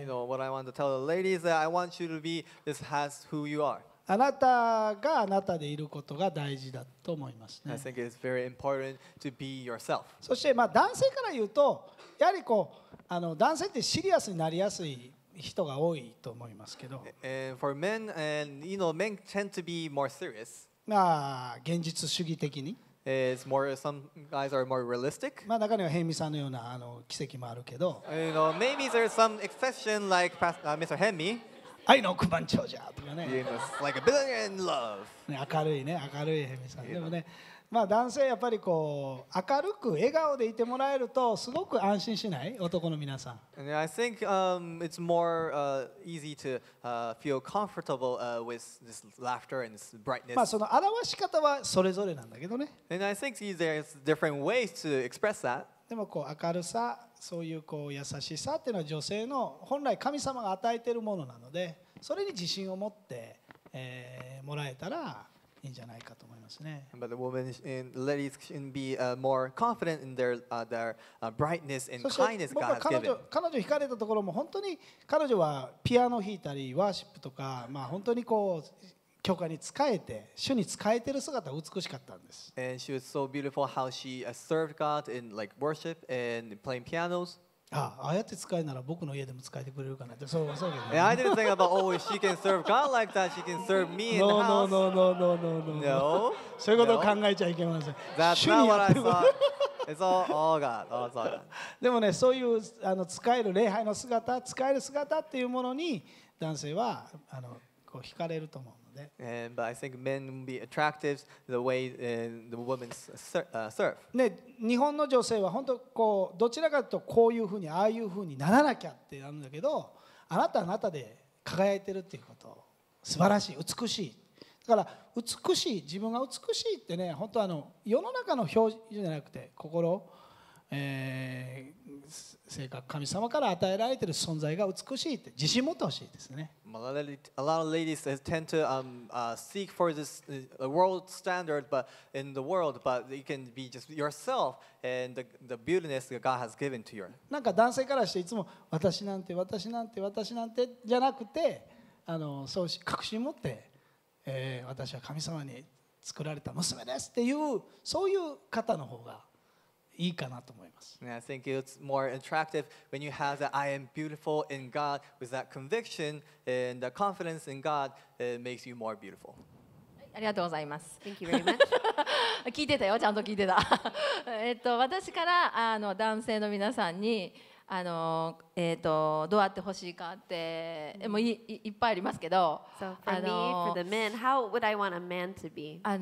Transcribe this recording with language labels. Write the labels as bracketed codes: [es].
[en] You know what I want to tell the ladies that I want you to be this has who you are. [ja] あなたがあなたでいることが大事だと思いますね。 [en] I think it's very important to be yourself. [ja] そしてまあ男性から言うと、やはりこう男性ってシリアスになりやすい人が多いと思いますけど。 [en] And for men, and you know, men tend to be more serious. [ja] まあ現実主義的に。 [en] It's more, some guys are more realistic. [ja] まあ中には辺見さんのような奇跡もあるけど。 [en] You know, maybe there's some exception like Mr. [ja] 辺見。愛の億万長者とかね。 [en] You know, like a billionaire in love. [ja] ね、明るいね、明るい辺見さん。でもね。まあ、男性やっぱりこう明るく笑顔でいてもらえるとすごく安心しない？男の皆さん。 [en] I think it's more easy to feel comfortable with this laughter and this brightness. [ja] まあその表し方はそれぞれなんだけどね。 [en] And I think there's different ways to express that. [ja] でもこう明るさ、そういうこう優しさっていうのは女性の本来神様が与えているものなので、それに自信を持って、もらえたら。いいんじゃないかと思いますね。 [en] But the woman and ladies can be more confident in their brightness and kindness God has given. [ja] 彼女惹かれたところも本当に彼女はピアノ弾いたりワーシップとか、まあ、本当にこう教会に仕えて主に仕えてる姿が美しかったんです。 [en] And she was so beautiful how she served God in like worship and playing pianos. [ja] ああやって使えなら僕の家でも使えてくれるかなってそうそうけど。 [en] I didn't think about oh she can serve God like that she can serve me in the house. No no no no no no no. No. [ja] そういうことを考えちゃいけません。 [en] That's not what I thought. It's all God. All God. [ja] でもねそういう使える礼拝の姿使える姿っていうものに男性はこう惹かれると思うので。 [en] And but I think men be attractive the way the women serve. [ja] ね。日本の女性は本当こうどちらかというとこういうふうにああいうふうにならなきゃってなるんだけど、あなたあなたで輝いてるっていうこと、素晴らしい、美しい。だから美しい、自分が美しいってね、本当世の中の表情じゃなくて心、性格、神様から与えられてる存在が美しいって自信持ってほしいですね。 [en] A lot of ladies tend to seek for this world standard, but in the world, but you can be just yourself and the beautifulness that God has given to you. [ja] なんか男性からしていつも私なんて私なんて私なんてじゃなくて、そう確信持って、私は神様に作られた娘ですっていうそういう方の方が。いいかなと思います。 [en] I think it's more attractive when you have that I am beautiful in God with that conviction and the confidence in God makes you more beautiful. [ja] ありがとうございます。 [en] Thank you very much. [ja] 聞いてたよ、ちゃんと聞いてた。私から男性の皆さんにどうあってほしいかって、mm-hmm. もう いっぱいありますけど。 [en] So for me, for the men, how would I want a man to be?